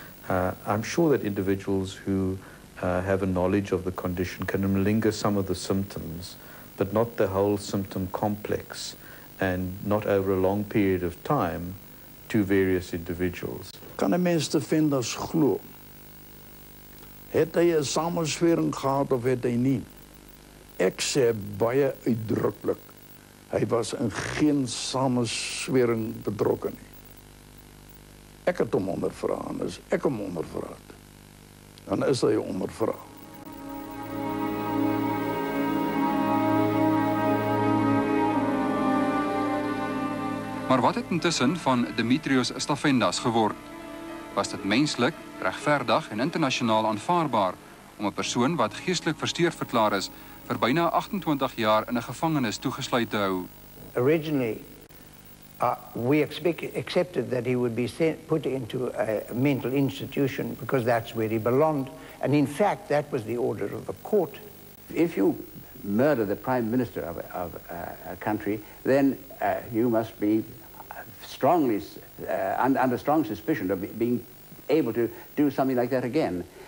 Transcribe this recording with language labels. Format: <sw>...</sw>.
<en>I'm sure that individuals who have a knowledge of the condition can malinger some of the symptoms, but not the whole symptom complex, and not over a long period of time to various individuals.</en> <af>Kan 'n mens Stavenda's glo? Het hy 'n samenswering gehad of het hy nie? Ek sê baie uitdruklik, hy was in geen samenswering betrokke nie. Ek het hom ondervra, en as ek hom ondervra het, dan is hy ondervra. Maar wat het intussen van Dimitrios Stavenda's geword? Was dit menslik, regverdig en internasionaal aanvaarbaar om 'n persoon wat geestelik versteur verklaar is vir byna 28 jaar in 'n gevangenis toegesluit te hou?</af> <en>originally we accepted that he would be sent, put into a mental institution because that's where he belonged. And in fact, that was the order of the court. If you murder the prime minister of a country, then you must be strongly under strong suspicion of being able to do something like that again.</en>